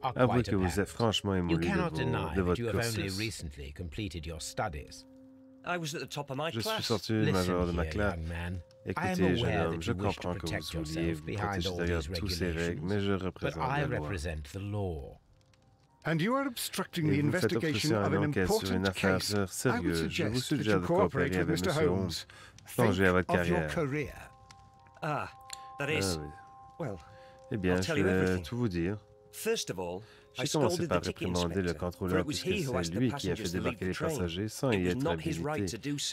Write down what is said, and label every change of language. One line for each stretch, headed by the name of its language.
French: Avouez que vous êtes franchement émoulé de votre cursus. Je suis sorti du major de ma classe. Écoutez, jeune homme, je comprends que vous vouliez vous protéger derrière toutes ces règles, mais je représente la loi.
English: And you are obstructing the investigation of an important case.
French: Sérieux, je vous suggère de coopérer avec Mr. Holmes. Pensez à votre carrière.
English: Ah, that is. Well,
French: eh bien, je vais tout vous dire.
English: First of all,
French: j'ai commencé par réprimander le contrôleur puisque c'est lui qui a fait débarquer les passagers sans y être habilité.